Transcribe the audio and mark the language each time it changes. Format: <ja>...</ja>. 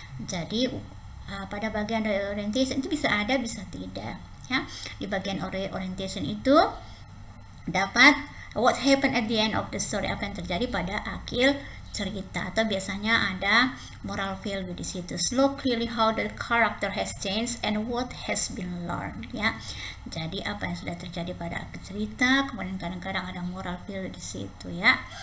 <id>Jadi pada bagian reorientation itu bisa ada bisa tidak ya. Di bagian orientation itu dapat</id> <en>what happened at the end of the story,</en> <id>apa yang terjadi pada akhir cerita, atau biasanya ada moral value di situ.</id> <en>Slow clearly how the character has changed and what has been learned</en> <id>ya. Jadi apa yang sudah terjadi pada akhir cerita, kemudian kadang-kadang ada moral value di situ ya.</id>